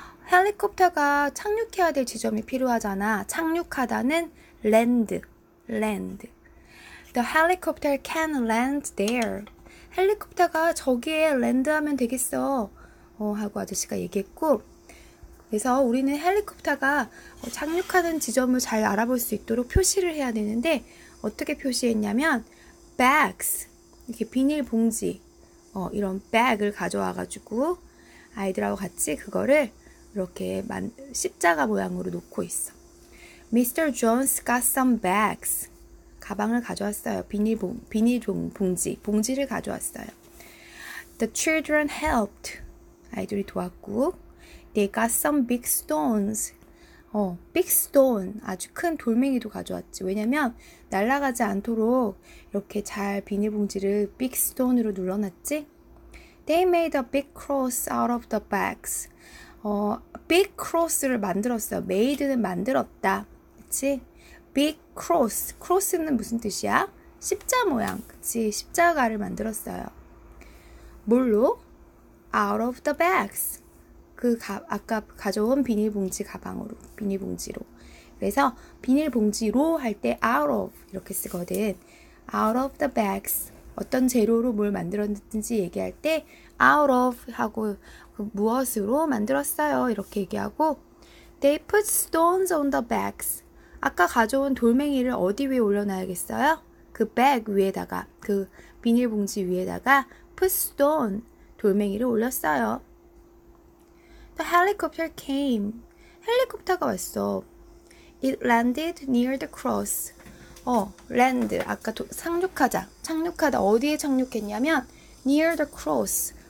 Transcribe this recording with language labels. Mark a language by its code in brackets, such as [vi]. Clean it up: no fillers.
[ko] 헬리콥터가 착륙해야 될 지점이 필요하잖아. 착륙하다는 land. [en] The helicopter can land there. [ko] 헬리콥터가 저기에 랜드하면 되겠어. 하고 아저씨가 얘기했고, 그래서 우리는 헬리콥터가 착륙하는 지점을 잘 알아볼 수 있도록 표시를 해야 되는데 어떻게 표시했냐면 bags, 이렇게 비닐봉지, 이런 bag을 가져와가지고 아이들하고 같이 그거를 이렇게 십자가 모양으로 놓고 있어. [en] Mr. Jones got some bags. [ko] 가방을 가져왔어요. 봉지를 가져왔어요. [en] The children helped. [ko] 아이들이 도왔고. [en] They got some big stones. Big stone. [ko] 아주 큰 돌멩이도 가져왔지. 왜냐면 날아가지 않도록 이렇게 잘 비닐봉지를 big stone으로 눌러놨지. [en] They made a big cross out of the bags. [ko] Big cross를 만들었어요. Made는 만들었다. 그치? Big cross. Cross는 무슨 뜻이야? 십자 모양. 그치? 십자가를 만들었어요. 뭘로? [en] Out of the bags. [ko] 아까 가져온 비닐봉지 가방으로. 비닐봉지로. 그래서 비닐봉지로 할 때 out of 이렇게 쓰거든. [en] Out of the bags. [ko] 어떤 재료로 뭘 만들었는지 얘기할 때 out of 하고 무엇으로 만들었어요 이렇게 얘기하고 [en] they put stones on the bags. [ko] 아까 가져온 돌멩이를 어디 위에 올려놔야겠어요? 그 bag 위에다가 그 비닐봉지 위에다가 put stone 돌멩이를 올렸어요. [en] The helicopter came. [ko] 헬리콥터가 왔어. [en] It landed near the cross. [ko] 랜드. 아까 상륙하자. 착륙하다. 어디에 착륙했냐면 [en] near the cross.